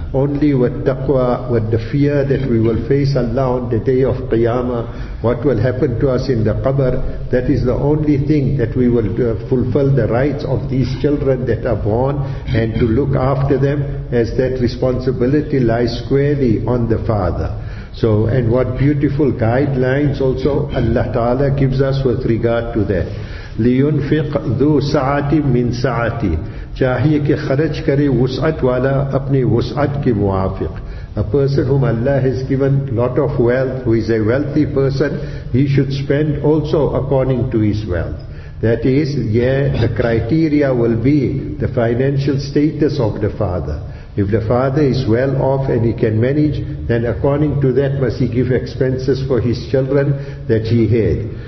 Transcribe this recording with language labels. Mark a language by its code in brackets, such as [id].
[en] Only with taqwa, with the fear that we will face Allah on the day of Qiyamah, what will happen to us in the qabr, that is the only thing that we will fulfill the rights of these children that are born, and to look after them, as that responsibility lies squarely on the father. So, and what beautiful guidelines also Allah Ta'ala gives us with regard to that. [ar] لِيُنْفِقْ ذُو سَعَةِ مِنْ سَعَةِ. [ur] چاہیے کہ خرچ کرے وسعت والا اپنے وسعت کے موافق. [en] A person whom Allah has given lot of wealth, who is a wealthy person, he should spend also according to his wealth. That is, yeah, the criteria will be the financial status of the father. If the father is well off and he can manage, then according to that must he give expenses for his children that he had.